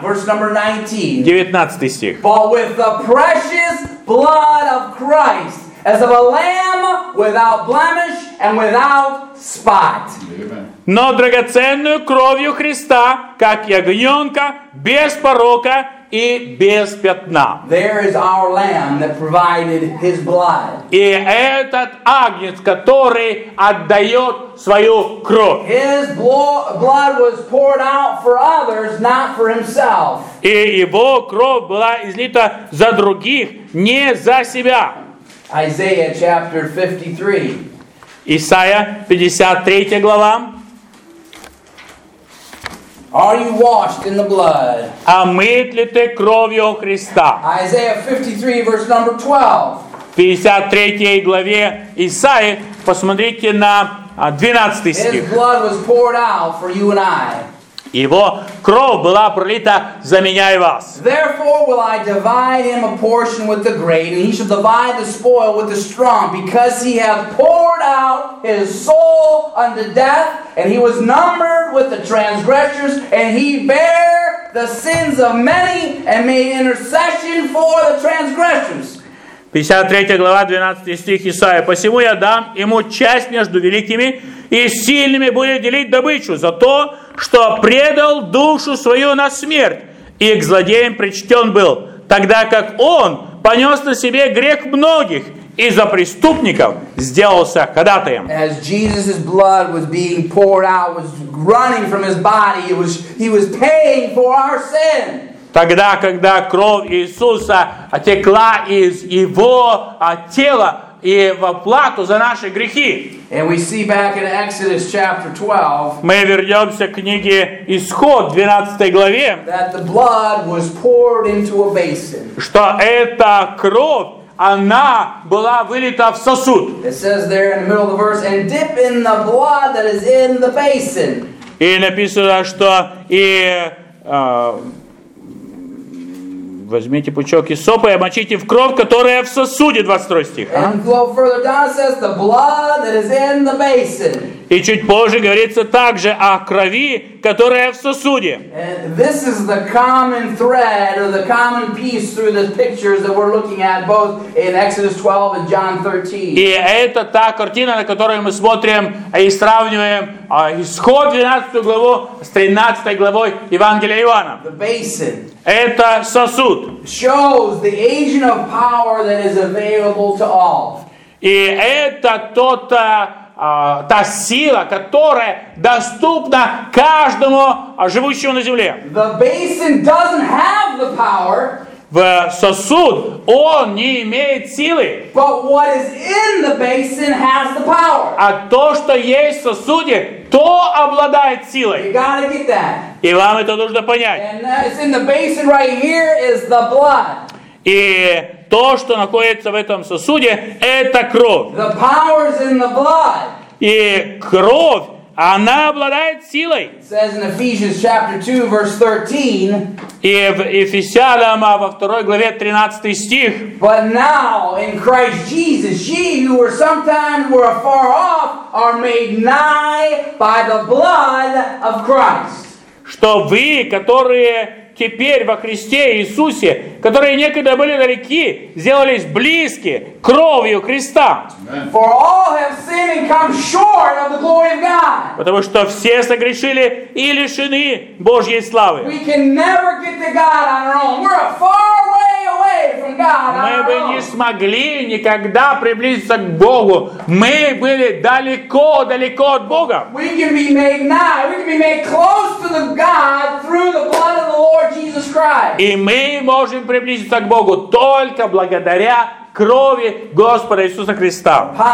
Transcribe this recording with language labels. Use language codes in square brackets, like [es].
[en] Verse number 19. [ru] 19 стих. [en] But with the precious blood of Christ, as of a lamb without blemish and without spot. [ru] Но драгоценную кровью Христа, как ягненка, без порока и без пятна. [en] There is our lamb that provided his blood. [ru] И этот агнец, который отдает свою кровь. [en] His blood was poured out for others, not for himself. [ru] И его кровь была излита за других, не за себя. [en] Isaiah chapter 53. [ru] Исайя, 53 глава. [en] Are you washed in the blood? [ru] Омыт ли ты кровью Христа? [en] Isaiah 53, verse number 12. [ru] В 53 главе Исайи, посмотрите на 12 стих. [en] His blood was poured out for you and I. [ru] Его кровь была пролита за меня и вас. [en] Therefore will I divide him a portion with the great, and he shall divide the spoil with the strong, because he hath poured out his soul unto death, and he was numbered with the transgressors, and he bare the sins of many, and made intercession for the transgressors. [ru] 53 глава, 12 стих Исаия. «Посему я дам ему часть между великими, и сильными будет делить добычу за то, что предал душу свою на смерть, и к злодеям причтен был, тогда как он понес на себе грех многих, и за преступников сделался ходатаем». [en] As Jesus' blood was being poured out, was running from his body, he was paying for our sin. [ru] Тогда, когда кровь Иисуса отекла из Его тела и в оплату за наши грехи. [en] And we see back in Exodus chapter 12, [ru] мы вернемся к книге Исход, 12 главе, [en] that the blood was poured into a basin. [ru] Что эта кровь, она была вылита в сосуд. [en] It says there in the middle of the verse, and dip in the blood that is in the basin. [ru] И написано, что и... возьмите пучок иссопа и обмочите в кровь, которая в сосуде, 22 стих. А? [en] And flow further down says the blood that is in the basin. [ru] И чуть позже говорится также о крови, которая в сосуде. [en] And this is the common thread or the common piece through the pictures that we're looking at both in Exodus 12 and John 13. [ru] И это та картина, на которую мы смотрим и сравниваем исход 12 главу с 13 главой Евангелия Иоанна. [en] The basin. [ru] Это сосуд. [en] Shows the agent of power that is available to all. [ru] И это тот та сила, которая доступна каждому живущему на земле. [en] The basin doesn't have the power. [ru] В сосуд он не имеет силы. [en] But what is in the basin has the power. [ru] А то, что есть в сосуде, то обладает силой. [en] You gotta get that. [ru] И вам это нужно понять. [en] And it's in the basin right here is the blood. [ru] И то, что находится в этом сосуде, это кровь. [en] The power is in the blood. [ru] И кровь она обладает силой. [en] Says in Ephesians chapter 2, verse 13, [ru] и в Ефесянам, во 2 главе 13 стих, [en] but now in Christ Jesus, ye who were sometimes were afar off are made nigh by the blood of Christ. [ru] Что вы, которые теперь во Христе Иисусе, которые некогда были далеки, сделались близки кровью Христа. [en] For all have sinned and come short of the glory of God. [ru] Потому что все согрешили и лишены Божьей славы. [en] We can never get to God on our own. We're a far way away from God. [ru] Мы бы не смогли никогда приблизиться к Богу. Мы были далеко, далеко от Бога. [en] We can be made nigh. We can be made close to the God through the blood of the Lord Jesus Christ. [ru] И мы можем приблизиться к Богу только благодаря крови Господа Иисуса Христа.